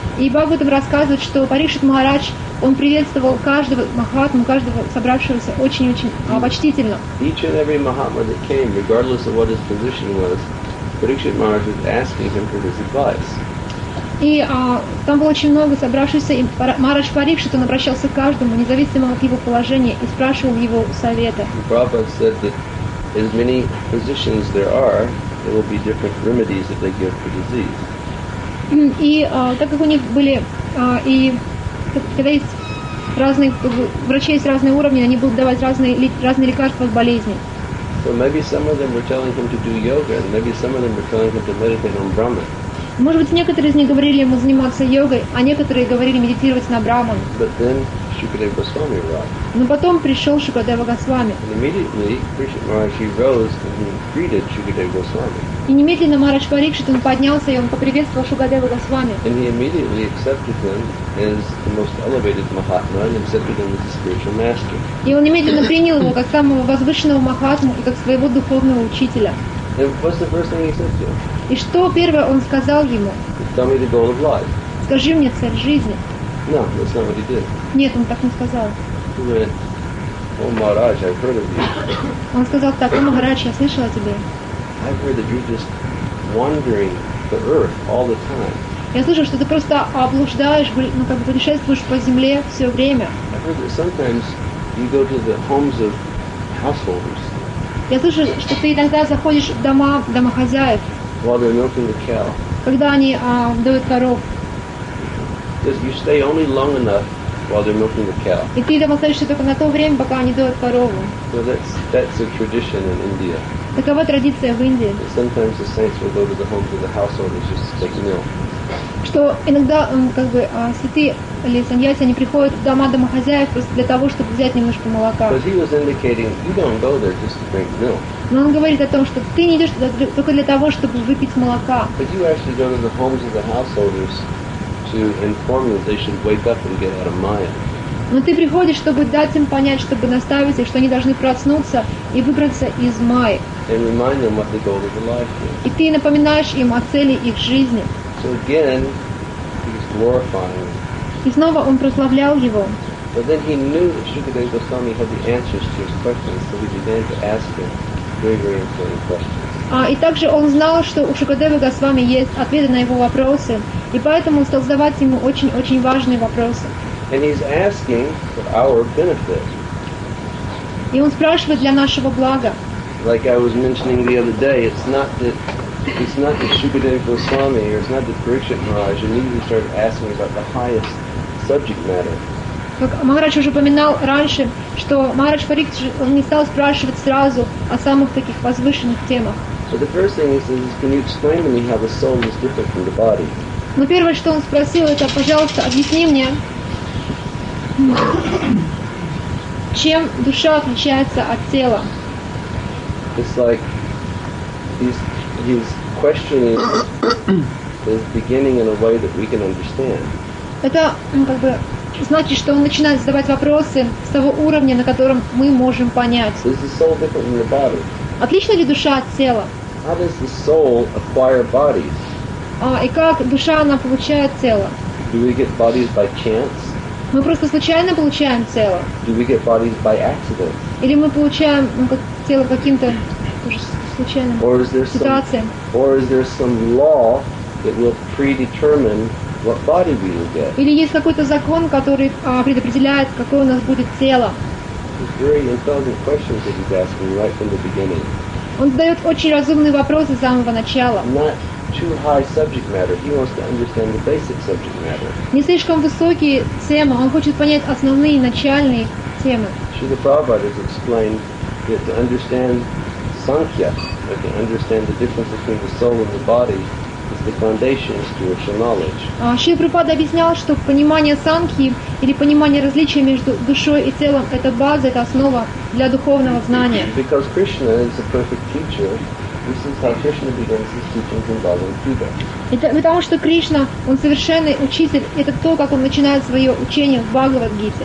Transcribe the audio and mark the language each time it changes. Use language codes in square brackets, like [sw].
[ru] И Бхагаватам рассказывает, что Парикшит Махарадж он приветствовал каждого Махатму, каждого собравшегося очень-очень почтительно. [en] Each and every Mahatma that came, regardless of what his position was, Parikshit Maharaj was asking him for his advice. [ru] И там было очень много собравшихся, и Махарадж Парикшит, он обращался к каждому, независимо от его положения, и спрашивал его совета. [en] Prabhupada said that as many physicians there are, there will be different remedies that they give for disease. [ru] И так как у них были и когда есть разные врачи есть разные уровни, они будут давать разные лекарства от болезни. [en] So maybe some of them were telling him to do yoga, and maybe some of them were telling him to meditate on Brahman. [ru] Может быть, некоторые из них говорили ему заниматься йогой, а некоторые говорили медитировать на Брахман. [en] But then Shukadeva Goswami arrived. [ru] Но потом пришел Шукадева Госвами. [en] And immediately Parikshit Maharaj rose and he greeted Shukadeva Goswami. [ru] И немедленно Махарадж Парикшит он поднялся и он поприветствовал Шукадева Госвами. [en] And he immediately accepted him as the most elevated Mahatma and accepted him as a spiritual master. [ru] И он немедленно принял его как самого возвышенного Махатму и как своего духовного учителя. [en] And what's the first thing he said to him? [ru] И что первое он сказал ему? [en] Tell me the goal of life. [ru] Скажи мне цель жизни. [en] No, that's not what he did. [ru] Нет, он так не сказал. [en] He went, oh, Maharaj, I've heard of you. [ru] Он сказал так, о, Махарадж, я слышал о тебе. [en] I've heard that you're just wandering the earth all the time. [ru] Я слышал, что ты просто облуждаешь, ну как бы путешествуешь по земле все время. [en] I've heard that sometimes you go to the homes of householders. [ru] Я слышу, что ты иногда заходишь в дома домохозяев. [en] While they're milking the cow. [ru] Когда они доят коров. [en] You stay only long enough while they're milking the cow. [ru] И ты там остаешься только на то время, пока они доят корову. [en] So that's a tradition in India. [ru] Такова традиция в Индии. [en] That sometimes the saints will go to the homes of the householders just to take milk. [ru] Что иногда как бы святые или саньяси они приходят в дома домохозяев просто для того, чтобы взять немножко молока. [en] But he was indicating you don't go there just to drink milk. [ru] Но он говорит о том, что ты не идешь туда только для того, чтобы выпить молока. [en] But you actually go to the homes of the householders to inform them that they should wake up and get out of Maya. [ru] Но ты приходишь, чтобы дать им понять, чтобы наставить их, что они должны проснуться и выбраться из Майи. [en] And remind them what the goal of their life is. [ru] И ты напоминаешь им о цели их жизни. [en] So again, he's glorifying. [ru] И снова он прославлял его. [en] But then he knew that Shukadeva Goswami had the answers to his questions, so he began to ask him very, very important questions. [ru] И также он знал, что у Шукадева Госвами есть ответы на его вопросы, и поэтому он стал задавать ему очень-очень важные вопросы. [en] And he's asking for our benefit. [ru] И он спрашивает для нашего блага. [en] Like I was mentioning the other day, it's not that Shukadeva Goswami or it's not that Parikshit Maharaj immediately started asking about the highest subject matter. [ru] Как Махарадж уже упоминал раньше, что Махарадж Парикшит, он не стал спрашивать сразу о самых таких возвышенных темах. [en] But the first thing is, can you explain to me how the soul is different from the body? [ru] Но первое, что он спросил, это, пожалуйста, объясни мне, чем душа отличается от тела. [en] It's like he's questioning the beginning in a way that we can understand. [ru] Это как бы значит, что он начинает задавать вопросы с того уровня, на котором мы можем понять. [en] Is the soul different from the body? [ru] Отлична ли душа от тела? [en] How does the soul acquire bodies? [ru] И как душа, она получает тело? [en] Do we get bodies by chance? [ru] Мы просто случайно получаем тело? [en] Do we get bodies by accident? [ru] Или мы получаем тело каким-то случайным ситуациям? [en] Or is there some law that will predetermine what body we will get? [ru] Или есть какой-то закон, который предопределяет, какое у нас будет тело? [en] It's very intelligent questions that he's asking right from the beginning. [ru] Он задает очень разумные вопросы с самого начала. [en] Not too high subject matter. He wants to understand the basic subject matter. [ru] Не слишком высокие темы. Он хочет понять основные, начальные темы. [en] Srila Prabhupada has explained that to understand Sankhya, to understand the difference between the soul and the body, is the foundation of spiritual knowledge. [ru] Шри Прабхупада объяснял, что понимание Санкхи или понимание различия между душой и телом – это база, это основа для духовного знания. [en] Because Krishna is a perfect teacher, this is how Krishna begins his teachings in Bhagavad Gita. [ru] Потому что Кришна, он совершенный учитель, это то, как он начинает свое учение в Бхагавад Гите.